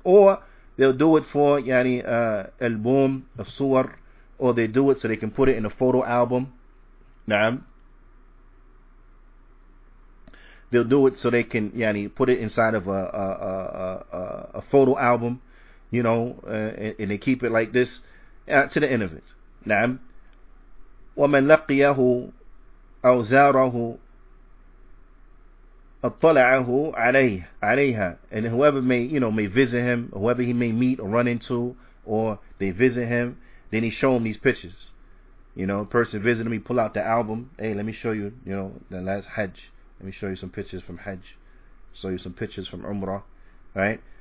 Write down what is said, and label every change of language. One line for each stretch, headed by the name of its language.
English: Or they'll do it for album of suwar, or they do it so they can put it in a photo album. Naam. They'll do it so they can put it inside of a photo album, you know, and they keep it like this to the end of it. Naam.
Arabic: وَمَنْ لَقِيَهُ أَوْ زَارَهُ اطلعه عليها.
English: And whoever may, you know, may visit him, whoever he may meet or run into, or they visit him, then he show him these pictures. You know, a person visit him, he pull out the album. Hey, let me show you, you know, the last Hajj. Let me show you some pictures from Hajj. Show you some pictures from Umrah. Right?